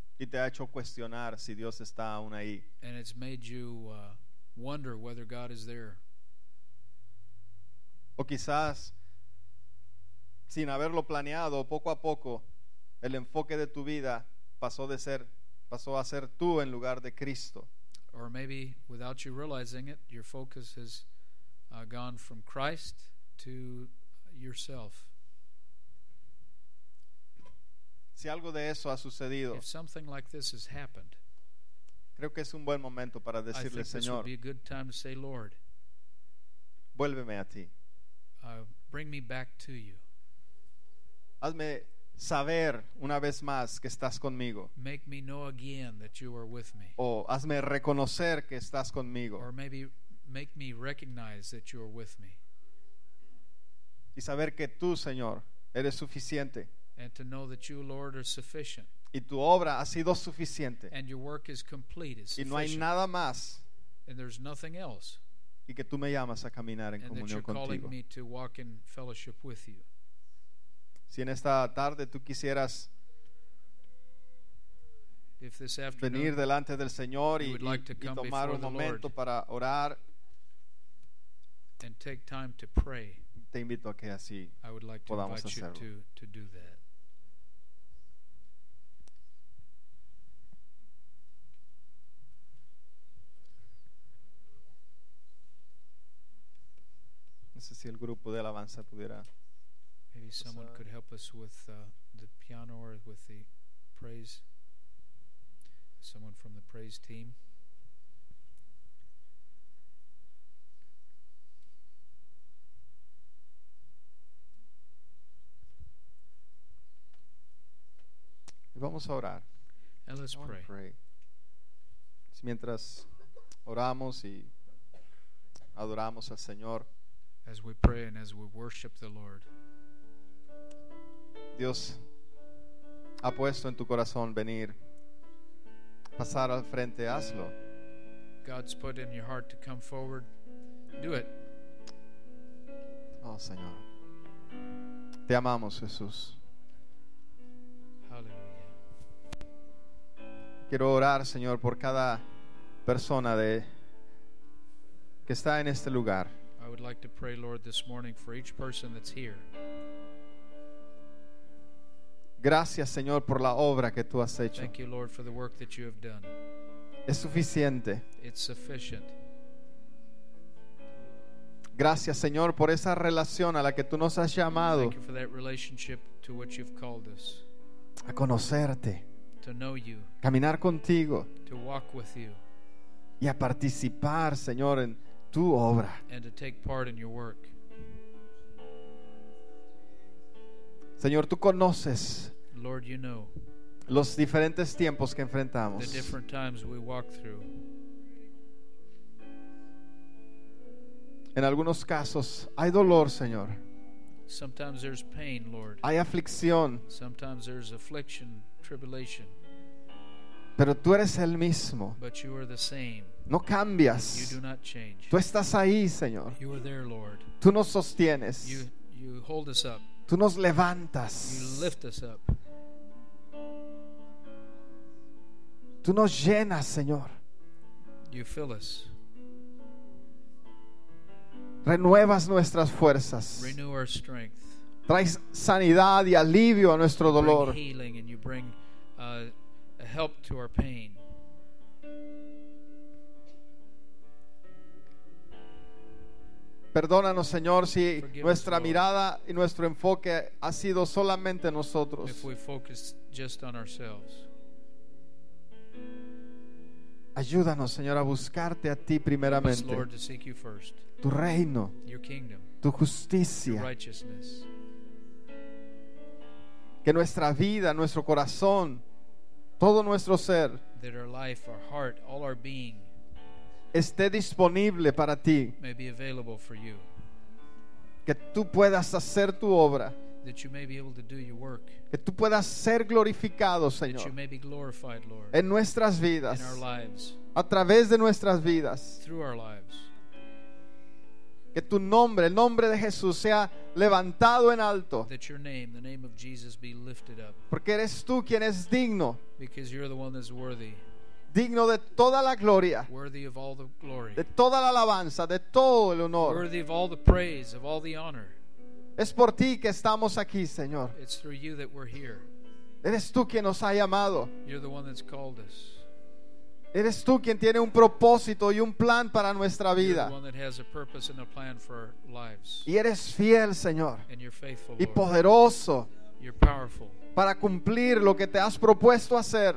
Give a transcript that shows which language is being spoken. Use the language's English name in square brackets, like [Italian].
[Spanish] Y te ha hecho cuestionar si Dios está aún ahí. [English] And it's made you wonder whether God is there. [Spanish] O quizás, sin haberlo planeado, poco a poco, el enfoque de tu vida pasó a ser tú en lugar de Cristo. [English] Or maybe without you realizing it, your focus has gone from Christ to yourself. [Spanish] Si algo de eso ha sucedido, [English] if something like this has happened, [Spanish] creo que es un buen momento para decirle, [English] I think [Spanish] Señor, [English] this would be a good time to say, Lord, [Spanish] vuélveme a ti. [English] Bring me back to you. [Spanish] Hazme saber una vez más que estás conmigo. [English] Make me know again that you are with me. [Spanish] O hazme reconocer que estás conmigo. [English] Or maybe make me recognize that you are with me. [Spanish] Y saber que tú, Señor, eres suficiente. [English] And to know that you, Lord, are sufficient. [Spanish] Y tu obra ha sido suficiente. [English] And your work is complete, is sufficient. [Spanish] Y no hay nada más. [English] And there's nothing else. [Spanish] Y que tú me llamas a caminar en [English] and [Spanish] comunión contigo. [English] And you're calling me to walk in fellowship with you. [Spanish] Si en esta tarde tú quisieras venir delante del Señor y tomar un momento para orar, [English] and take time to pray, [Spanish] te invito a que así [English] I would like to [Spanish] podamos [English] invite [Spanish] hacerlo. [English] You to do that. [Spanish] No sé si el grupo de alabanza pudiera. [English] Maybe someone could help us with the piano or with the praise. someone from the praise team. [Spanish] Vamos a orar. [English] And let's pray. [Spanish] Mientras oramos y adoramos al Señor. [English] As we pray and as we worship the Lord. [Spanish] Dios ha puesto en tu corazón venir, pasar al frente, hazlo. [English] God's put in your heart to come forward. Do it. [Spanish] Oh, Señor. Te amamos, Jesús. Quiero orar, Señor, por cada persona de que está en este lugar. [English] I would like to pray, Lord, this morning for each person that's here. [Spanish] Gracias, Señor, por la obra que tú has hecho. [English] Thank you, Lord, for the work that you have done. [Spanish] Es suficiente. [English] It's sufficient. [Spanish] Gracias, Señor, por esa relación a la que tú nos has llamado. [English] Thank you for that relationship to which you've called us. [Spanish] A conocerte. [English] To know you, [Spanish] caminar contigo, [English] to walk with you, [Spanish] y a participar, Señor, en tu obra, [English] and to take part in your work. [Spanish] Señor, tú conoces, [English] Lord, you know, [Spanish] los diferentes tiempos que enfrentamos, [English] the different times we walk through. [Spanish] En algunos casos hay dolor, Señor. [English] Sometimes there's pain, Lord. [Spanish] Hay aflicción. [English] Sometimes there's affliction, tribulation. [Spanish] Pero tú eres el mismo. [English] But you are the same. [Spanish] No cambias. [English] You do not change. [Spanish] Tú estás ahí, Señor. [English] You are there, Lord. [Spanish] Tú nos sostienes. [English] You hold us up. [Spanish] Tú nos levantas. [English] You lift us up. [Spanish] Tú nos llenas, Señor. [English] You fill us. [Spanish] Renuevas nuestras fuerzas. [English] Renew our strength. [Spanish] Traes sanidad y alivio a nuestro dolor. [English] Bring healing and you bring help to our pain. [Spanish] Perdónanos, Señor, si nuestra mirada y nuestro enfoque ha sido solamente nosotros. [English] If we focus just on ourselves. [Spanish] Ayúdanos, Señor, a buscarte a ti primeramente. [English] Help us, Lord, to seek you first. [Spanish] Tu reino. [English] Your kingdom. [Spanish] Tu justicia. [English] Your righteousness. [Spanish] Que nuestra vida, nuestro corazón, todo nuestro ser, [English] that our life, our heart, all our being, [Spanish] esté disponible para ti. [English] May be available for you. [Spanish] Que tú puedas hacer tu obra. [English] That you may be able to do your work. [Spanish] Que tú puedas ser glorificado, Señor. [English] That you may be glorified, Lord. [Spanish] En nuestras vidas. [English] In our lives. [Spanish] A través de nuestras vidas. [English] Through our lives. [Spanish] Que tu nombre, el nombre de Jesús, sea levantado en alto. [English] That your name, the name of Jesus, be lifted up. [Spanish] Porque eres tú quien es digno. [English] Because you're the one that's worthy. [Spanish] Digno de toda la gloria. [English] Worthy of all the glory. [Spanish] De toda la alabanza, de todo el honor. [English] Worthy of all the praise, of all the honor. [Spanish] Es por ti que estamos aquí, Señor. [English] It's through you that we're here. [Spanish] Eres tú quien nos ha llamado. [English] You're the one that's called us. [Spanish] Eres tú quien tiene un propósito y un plan para nuestra vida. [English] You're the one that has a purpose and a plan for our lives. [Spanish] Y eres fiel, Señor. [English] And you're faithful, [Spanish] y poderoso. [English] You're powerful. [Spanish] Para cumplir lo que te has propuesto hacer.